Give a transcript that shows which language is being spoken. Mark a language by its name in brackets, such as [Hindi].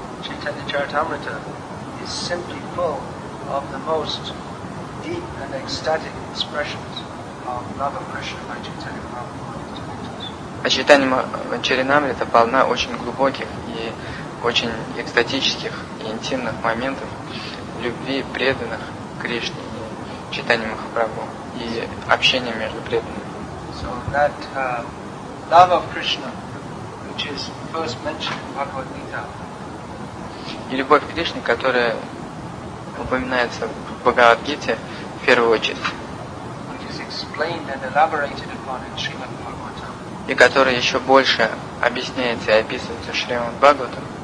[English] Чайтанья Чаритамрита is simply full of the most deep and ecstatic expressions of love of Krishna by Чайтанья Махапрабху. [Russian] А Чайтанья Чаритамрита полна очень глубоких и очень экстатических и интимных моментов любви преданных Кришне, Чайтанья Махапрабху и общение между преданными. [English] So that love of Krishna, which is first mentioned in Bhagavad Gita, [Russian] и любовь к Кришне, которая упоминается в Бхагавад Гите в первую очередь, [English] which is explained and elaborated upon in Srimad Bhagavatam, [Russian] и которая еще больше объясняется и описывается в Шримад Бхагаватам,